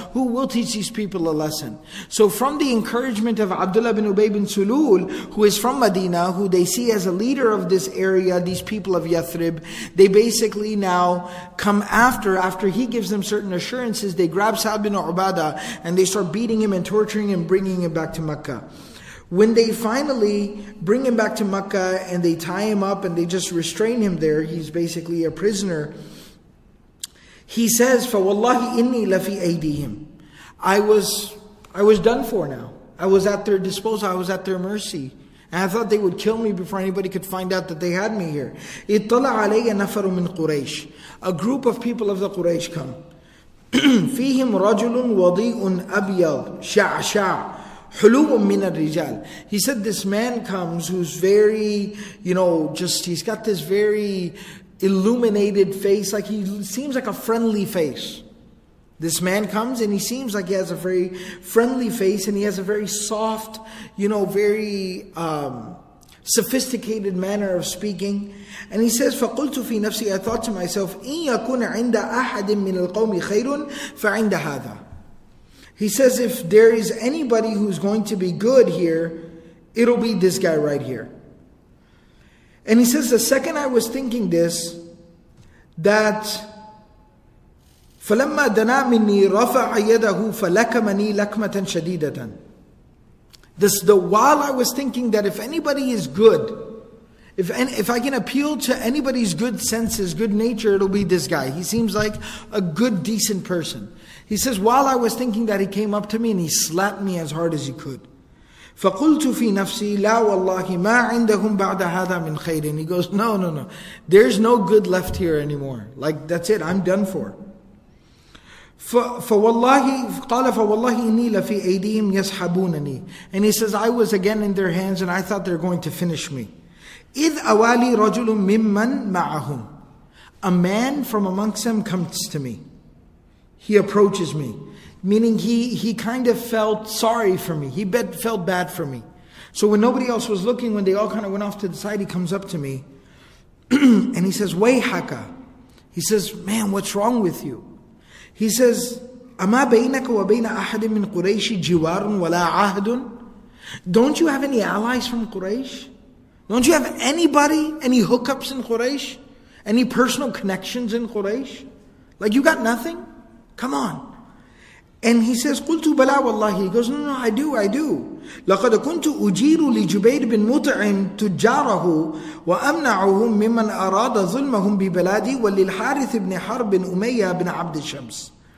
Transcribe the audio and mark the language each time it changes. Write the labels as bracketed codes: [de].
[en] Who will teach these people a lesson? So from the encouragement of Abdullah bin Ubay bin Sulul, who is from Medina, who they see as a leader of this area, these people of Yathrib, they basically now come after he gives them certain assurances, they grab Sa'd bin Ubadah and they start beating him and torturing him, bringing him back to Mecca. When they finally bring him back to Mecca and they tie him up and they just restrain him there, he's basically a prisoner. He says, [ar] فَوَاللَّهِ إِنِّي لَفِي أَيْدِيهِمْ. [en] I was done for now. I was at their disposal. I was at their mercy. And I thought they would kill me before anybody could find out that they had me here. [ar] اِطَّلَعَ عَلَيَّ نَفَرٌ مِّن قُرَيْشِ. [en] A group of people of the Quraysh come. [ar] فيهم رجل وضيء أبيض شعشع حلو من الرجال. [en] He said this man comes who's very, you know, just he's got this very illuminated face, like he seems like a friendly face. This man comes and he seems like he has a very friendly face and he has a very soft, you know, very sophisticated manner of speaking. And he says, [ar] فَقُلْتُ فِي نَفْسِي, [en] I thought to myself, [ar] إِن يَكُنَ عِنْدَ أَحَدٍ مِّنَ الْقَوْمِ خَيْرٌ فَعِنْدَ هَذَا. [en] He says, if there is anybody who's going to be good here, it'll be this guy right here. And he says, the second I was thinking this, that [ar] فَلَمَّا دَنَا مِنِّي رَفَعَ يَدَهُ فَلَكَمَنِي لَكْمَةً شَدِيدَةً. [en] This, the while I was thinking that if anybody is good, if I can appeal to anybody's good senses, good nature, it'll be this guy. He seems like a good, decent person. He says, while I was thinking that, he came up to me and he slapped me as hard as he could. [ar] فَقُلْتُ فِي نَفْسِي لَا وَاللَّهِ مَا عِنْدَهُمْ بَعْدَ هَذَا مِنْ خَيْرٍ. [en] He goes, no. There's no good left here anymore. Like, that's it, I'm done for. [ar] فَوَاللَّهِ قَالَ فَوَاللَّهِ إِنِّي لَفِي أَيْدِيهِمْ يَسْحَبُونَنِي. [en] And he says, I was again in their hands and I thought they're going to finish me. [ar] إِذْ أَوَالِي رَجُلٌ مِمَّنْ مَعَهُمْ. [en] A man from amongst them comes to me. He approaches me. Meaning he kind of felt sorry for me. He felt bad for me. So when nobody else was looking, when they all kind of went off to the side, he comes up to me and he says, [ar] وَيْحَكَ. [en] He says, man, what's wrong with you? He says, [ar] أَمَا بَيْنَكَ وَبَيْنَ أَحَدٍ مِّن قُرَيْشِ جِوَارٌ وَلَا عَهْدٌ. [en] Don't you have any allies from Quraysh? Don't you have anybody, any hookups in Quraysh? Any personal connections in Quraysh? Like, you got nothing? Come on. And he says, [ar] قُلْتُ بَلَا وَاللَّهِ. [en] He goes, no, I do. [ar] لَقَدْ كُنْتُ أُجِيرُ لِجُبَيْرِ بِن مُطْعِمْ تُجَّارَهُ وَأَمْنَعُهُمْ مِمَّنْ أَرَادَ ظُلْمَهُمْ بِبَلَادِي وَلِلْحَارِثِ بْنِ حَرْبٍ أُمَيَّةَ بِنْ عَبْدِ الشَّمْسِ.